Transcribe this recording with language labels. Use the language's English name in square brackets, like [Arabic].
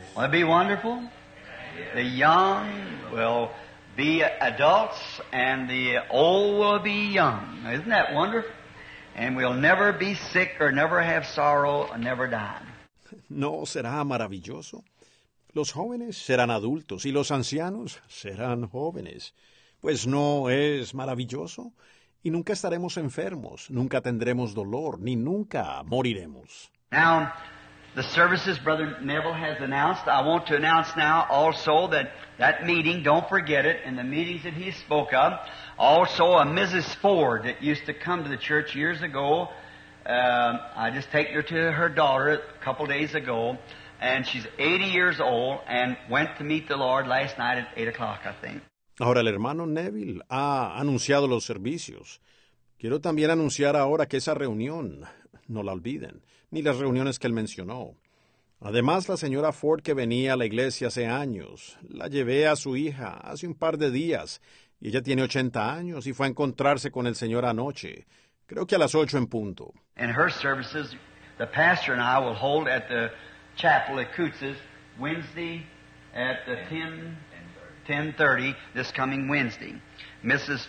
[English] Be wonderful. The young will be adults and the old will be young. Isn't that wonderful? And we'll never be sick or never have sorrow or never die. [Spanish] ¿No será maravilloso? Los jóvenes serán adultos y los ancianos serán jóvenes. Pues no es maravilloso y nunca estaremos enfermos, nunca tendremos dolor ni nunca moriremos. [English] Now, the services Brother Neville has announced, I want to announce now also that meeting, don't forget it, and the meetings that he spoke of, also a Mrs. Ford that used to come to the church years ago, I just take her to her daughter a couple days ago, and she's 80 years old and went to meet the Lord last night at 8 o'clock, I think. [Spanish] Ahora el hermano Neville ha anunciado los servicios. Quiero también anunciar ahora que esa reunión, no la olviden, ni las reuniones que él mencionó. Además, la señora Ford, que venía a la iglesia hace años, la llevé a su hija hace un par de días, y ella tiene 80 años y fue a encontrarse con el señor anoche, creo que a las 8 en punto. [English] In her services, the pastor and I will hold at the chapel at Coutts's Wednesday at the 10:30 this coming Wednesday. Mrs.